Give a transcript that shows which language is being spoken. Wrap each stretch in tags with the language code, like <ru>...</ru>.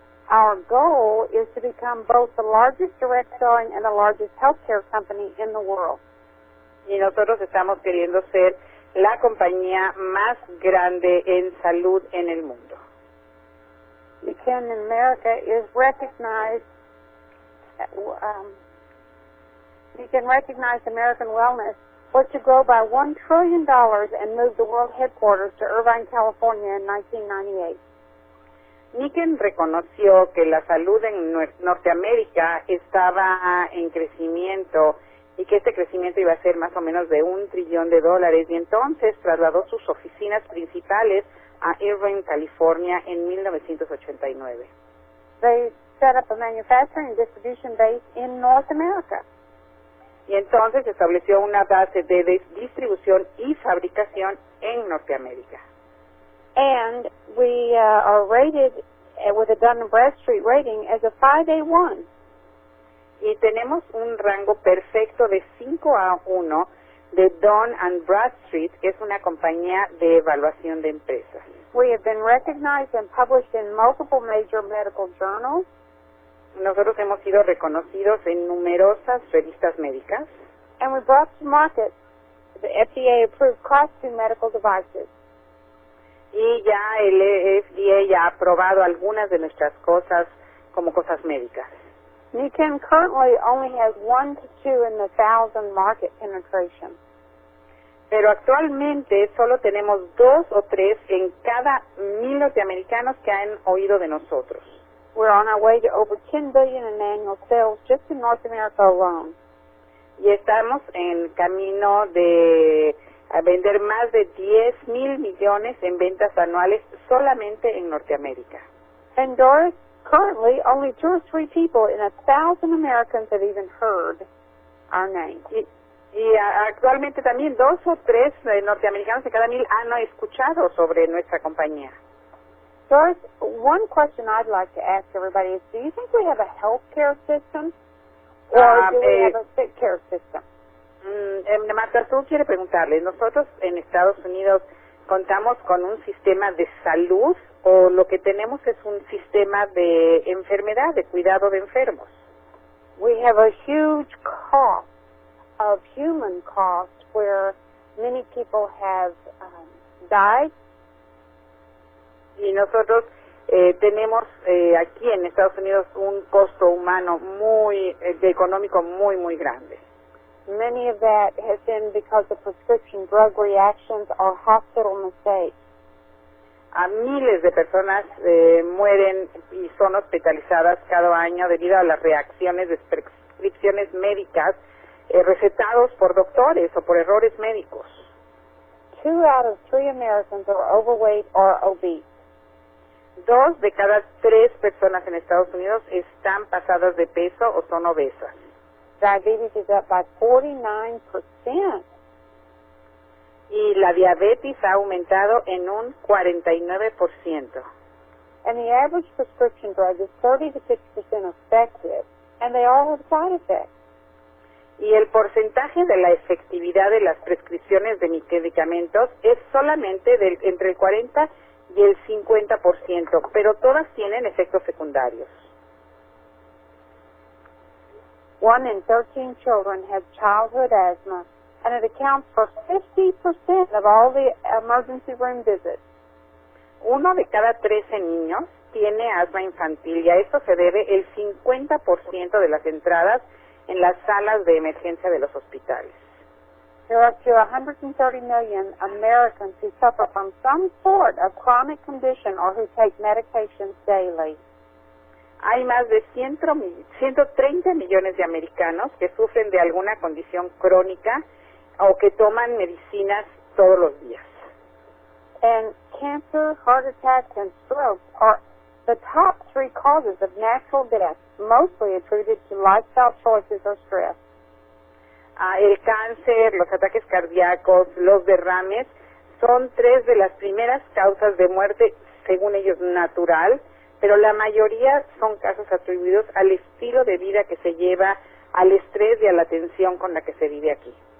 <en>Our goal is to become both the largest direct selling and the largest healthcare company in the world.</en> <es>Y nosotros estamos queriendo ser la compañía más grande en salud en el mundo.</es> <en>McKinsey in America is recognized. You can recognize American wellness was to grow by $1 trillion and move the world headquarters to Irvine, California in 1998.</en> <es>Nikken reconoció que la salud en Norteamérica estaba en crecimiento y que este crecimiento iba a ser más o menos de $1 trillón, y entonces trasladó sus oficinas principales a Irvine, California en 1989.</es> <en>They set up a manufacturing distribution base in North America.</en> <es>Y entonces estableció una base de distribución y fabricación en Norteamérica.</es> <en>And we are rated with a Dun & Bradstreet rating as a 5A1.</en> <es>Y tenemos un rango perfecto de 5A1 de Dun & Bradstreet, que es una compañía de evaluación de empresas.</es> <en>We have been recognized and published in multiple major medical journals.</en> <es>Nosotros hemos sido reconocidos en numerosas revistas médicas.</es> <en>And we brought to market the FDA-approved Class II medical devices.</en> <es>Y ya el FDA ya ha aprobado algunas de nuestras cosas como cosas médicas.</es> <en>Nikken currently only has 1 to 2 in the 1,000 market penetration.</en> <es>Pero actualmente solo tenemos 2 o 3 en cada 1,000 norteamericanos que han oído de nosotros.</es> <en>We're on our way to over $10 billion in annual sales just in North America alone.</en> <es>Y estamos en camino de vender más de 10,000 millones en ventas anuales solamente en Norteamérica.</es> <en>And Doris, currently only 2 or 3 people in 1,000 Americans have even heard our name.</en> <es>Y actualmente también 2 o 3 norteamericanos de cada 1,000 han escuchado sobre nuestra compañía.</es> <en>Doris, one question I'd like to ask everybody is, do you think we have a health care system or do we have a sick care system?</en> <es>Marta, tú quieres preguntarle, ¿nosotros en Estados Unidos contamos con un sistema de salud o lo que tenemos es un sistema de enfermedad, de cuidado de enfermos?</es> <en>We have a huge cost of human cost where many people have died.</en> <es>Y nosotros tenemos aquí en Estados Unidos un costo humano muy económico muy muy grande.</es> <en>Many of that has been because of prescription drug reactions or hospital mistakes.</en> <es>A miles de personas mueren y son hospitalizadas cada año debido a las reacciones de prescripciones médicas recetados por doctores o por errores médicos.</es> <en>2 out of 3 Americans are overweight or obese.</en> <es>2 de cada 3 personas en Estados Unidos están pasadas de peso o son obesas.</es> <en>Diabetes is up by 49%</en> <es>y la diabetes ha aumentado en un 49%.</es> <en>And the average prescription drug is 30-60% effective, and they all have side effects.</en> <es>Y el porcentaje de la efectividad de las prescripciones de medicamentos es solamente del entre el 40% y el 50%, pero todas tienen efectos secundarios.</es> <en>One in 13 children have childhood asthma, and it accounts for 50% of all the emergency room visits.</en> <es>Uno de cada 13 niños tiene asma infantil, y a esto se debe el 50% de las entradas en las salas de emergencia de los hospitales.</es> <en>There are up to 130 million Americans who suffer from some sort of chronic condition or who take medications daily.</en> <es>Hay más de 130 millones de americanos que sufren de alguna condición crónica o que toman medicinas todos los días.</es> <en>And cancer, heart attacks, and strokes are the top three causes of natural death, mostly attributed to lifestyle choices or stress.</en> <es>El cáncer, los ataques cardíacos, los derrames, son tres de las primeras causas de muerte, según ellos, natural, pero la mayoría son casos atribuidos al estilo de vida que se lleva, al estrés y a la tensión con la que se vive aquí.</es>